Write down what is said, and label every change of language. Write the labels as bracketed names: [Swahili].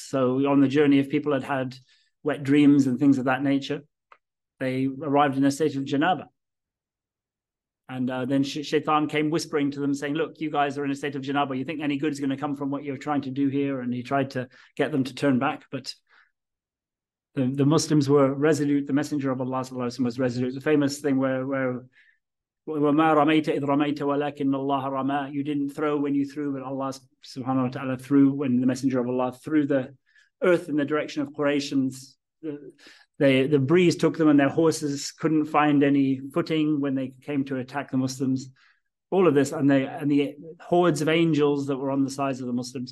[English] So on the journey, if people had had wet dreams and things of that nature, they arrived in a state of janaba. And then Shaitan came whispering to them saying, look, you guys are in a state of janaba. You think any good is going to come from what you're trying to do here? And he tried to get them to turn back. But the Muslims were resolute. The messenger of Allah sallallahu alaihi wasallam was resolute. [Arabic] The famous thing where وَمَا رَمَيْتَ إِذْ رَمَيْتَ وَلَكِنَّ اللَّهَ رَمَى. [English] You didn't throw when you threw, but Allah subhanahu wa ta'ala threw, when the messenger of Allah threw the earth in the direction of Quraysh. The breeze took them and their horses couldn't find any footing when they came to attack the Muslims. All of this and the hordes of angels that were on the sides of the Muslims.